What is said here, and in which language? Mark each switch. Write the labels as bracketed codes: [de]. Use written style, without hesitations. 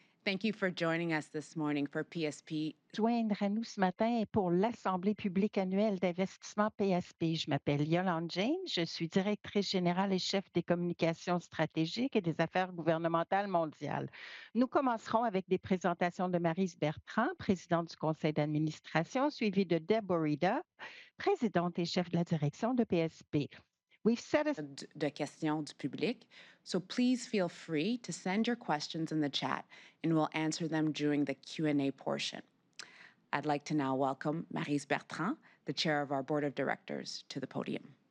[en] Thank you for joining us this morning for PSP. [fr] Joindre à nous ce matin pour l'Assemblée publique annuelle d'investissement PSP. Je m'appelle Yolande James, je suis directrice générale et chef des communications stratégiques et des affaires gouvernementales mondiales. Nous commencerons avec des présentations de Maryse Bertrand, présidente du conseil d'administration, suivie de Deborah Rida, présidente et chef de la direction de PSP. [en] We've set a [fr] de questions du public, [en] so please feel free to send your questions in the chat and we'll answer them during the Q&A portion. I'd like to now welcome Maryse Bertrand, the chair of our board of directors, to the podium.